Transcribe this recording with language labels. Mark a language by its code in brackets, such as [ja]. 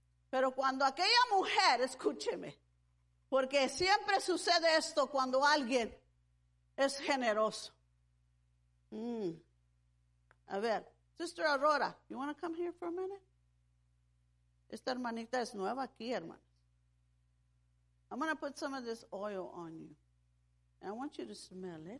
[es] Pero cuando aquella mujer, escúcheme, porque siempre sucede esto cuando alguien es generoso. [en] A ver, Sister Aurora, you want to come here for a minute? [es] Esta hermanita es nueva aquí, hermana. [en] I'm going to put some of this oil on you. And I want you to smell it.